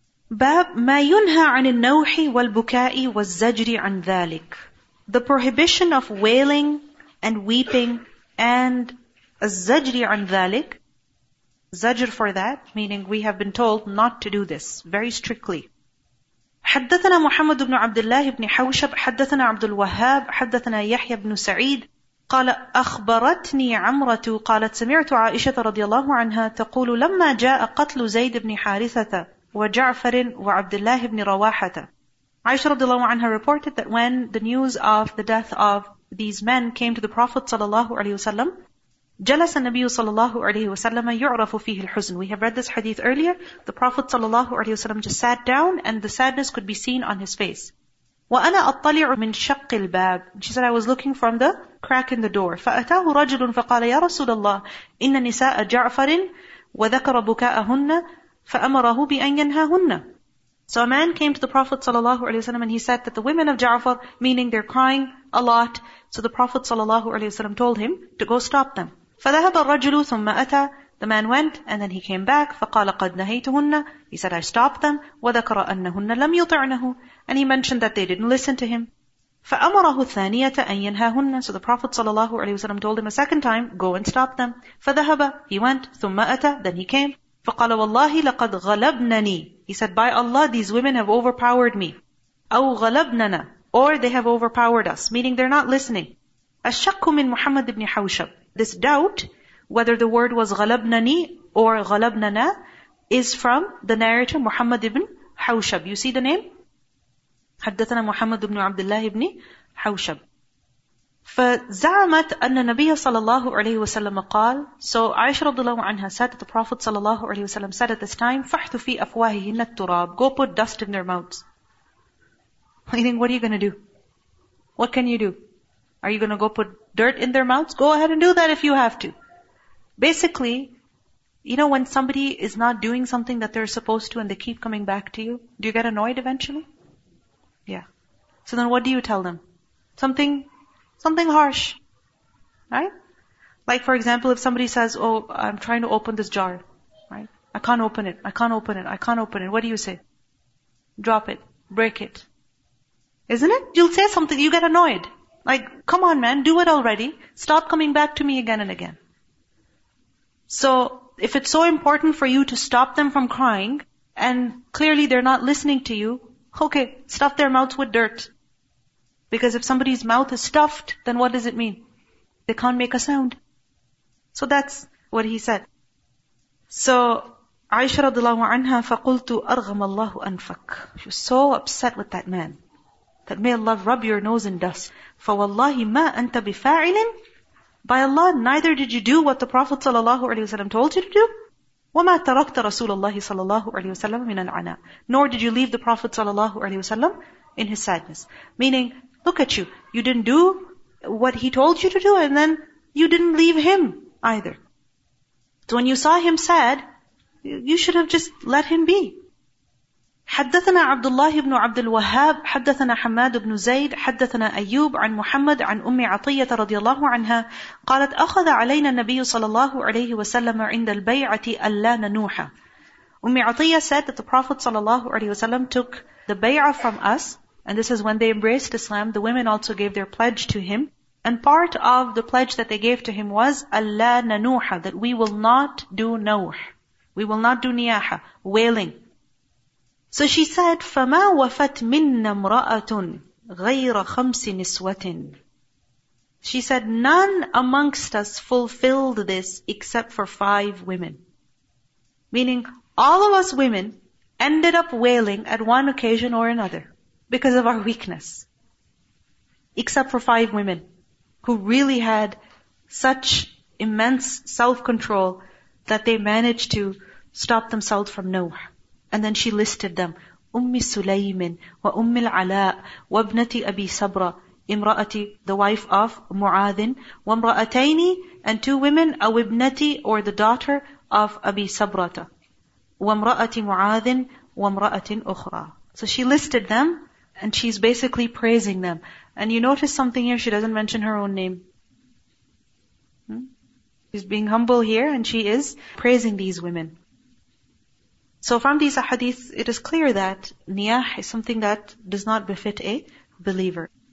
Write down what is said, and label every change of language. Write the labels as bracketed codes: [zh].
[ar] باب ما ينهى عن النوح والبكاء والزجر عن ذلك. [en] The prohibition of wailing and weeping and [ar] الزجر عن ذلك. [en] زجر for that, meaning we have been told not to do this very strictly. [ar] حدثنا محمد بن عبد الله بن حوشب حدثنا عبد الوهاب حدثنا يحيى بن سعيد قال أخبرتني عمرة قالت سمعت عائشة رضي الله عنها تقول لما جاء قتل زيد بن حارثة وجعفر وعبد الله بن رواحة. [en] عائشة رضي الله عنها reported that when the news of the death of these men came to the Prophet صلى الله عليه وسلم, [ar] جلس النبي صلى الله عليه وسلم يعرف فيه الحزن. [en] We have read this hadith earlier. The Prophet صلى الله عليه وسلم just sat down and the sadness could be seen on his face. [ar] وأنا أطلع من شق الباب. [en] She said, I was looking from the crack in the door. [ar] فأتاه رجل فقال يا رسول الله إن نساء جعفر وذكر بكاءهن فأمره بأن ينهاهن. [en] So a man came to the Prophet صلى الله عليه وسلم and he said that the women of Ja'far, meaning they're crying a lot, so the Prophet صلى الله عليه وسلم told him to go stop them. [ar] فذهب الرجل ثم أتى. [en] The man went and then he came back. [ar] فقال قد نهيتهن. [en] He said, I stopped them. [ar] وذكر أنهن لم يطعنه. [en] And he mentioned that they didn't listen to him. [ar] فأمره الثانية أن ينهاهن. [en] So the Prophet صلى الله عليه وسلم told him a second time, go and stop them. [ar] فذهب. [en] He went. [ar] ثم أتى. [en] Then he came. [ar] فقال والله لقد غلبنني. [en] He said, by Allah, these women have overpowered me. [ar] أو غلبننا. [en] Or they have overpowered us. Meaning they're not listening. [ar] الشك من محمد بن حوشب. [en] This doubt, whether the word was غلبنني or غلبننا, is from the narrator Muhammad ibn Hawshab. You see the name? [ar] حدثنا محمد بن عبد الله بن حوشب. فزعمت أن النبي صلى الله عليه وسلم قال. [en] So عائشة رضي الله عنها said that the Prophet صلى الله عليه وسلم said at this time, [ar] فحثوا في أفواههن التراب. [en] Go put dust in their mouths. Meaning, what are you going to do? What can you do? Are you going to go put dirt in their mouths? Go ahead and do that if you have to. Basically, you know when somebody is not doing something that they're supposed to and they keep coming back to you, do you get annoyed eventually? Yeah. So then what do you tell them? Something harsh. Right? Like for example, if somebody says, oh, I'm trying to open this jar. Right? I can't open it. What do you say? Drop it. Break it. Isn't it? You'll say something, you get annoyed. Like, come on man, do it already. Stop coming back to me again and again. So, if it's so important for you to stop them from crying, and clearly they're not listening to you, okay, stuff their mouths with dirt. Because if somebody's mouth is stuffed, then what does it mean? They can't make a sound. So that's what he said. [ar] So, عائشة رضي الله عنها فقلت أرغم الله أنفك. [en] She was so upset with that man. That may Allah rub your nose in dust. [ar] فَوَاللَّهِ مَا أَنْتَ بِفَاعِلٍ. [en] By Allah, neither did you do what the Prophet ﷺ told you to do. [ar] وَمَا تَرَكْتَ رَسُولَ اللَّهِ صَلَى اللَّهُ عَلَيْهِ وَسَلَّمَ مِنَ الْعَنَى. [en] Nor did you leave the Prophet ﷺ in his sadness. Meaning, look at you. You didn't do what he told you to do and then you didn't leave him either. So when you saw him sad, you should have just let him be. [ar] حدثنا عبد الله بن عبد الوهاب حدثنا حماد بن زيد حدثنا أيوب عن محمد عن أم عطية رضي الله عنها قالت أخذ علينا النبي صلى الله عليه وسلم عند البيعة ألا ننوح. [en] أم عطية said that the Prophet صلى الله عليه وسلم took the bay'ah from us, and this is when they embraced Islam. The women also gave their pledge to him, and part of the pledge that they gave to him was [ar] ألا ننوح, [en] that we will not do نوح, we will not do نياحة, wailing. So she said, [ar] فَمَا وَفَتْ مِنَّ امْرَأَةٌ غَيْرَ خَمْسِ نِسْوَةٍ. [en] She said, none amongst us fulfilled this except for five women. Meaning, all of us women ended up wailing at one occasion or another because of our weakness. Except for five women who really had such immense self-control that they managed to stop themselves from نوح. And then she listed them. [ar] أم سليم وأم العلاء وابنتي أبي صبرة امرأتي, [en] the wife of [ar] معاذ, وامرأتين, [en] and two women, [ar] أو ابنتي, [en] or the daughter of [ar] أبي صبرة, وامرأتي معاذ وامرأة أخرى. [en] So she listed them and she's basically praising them. And you notice something here, she doesn't mention her own name. She's being humble here and she is praising these women. So from these ahadith, it is clear that niyah is something that does not befit a believer.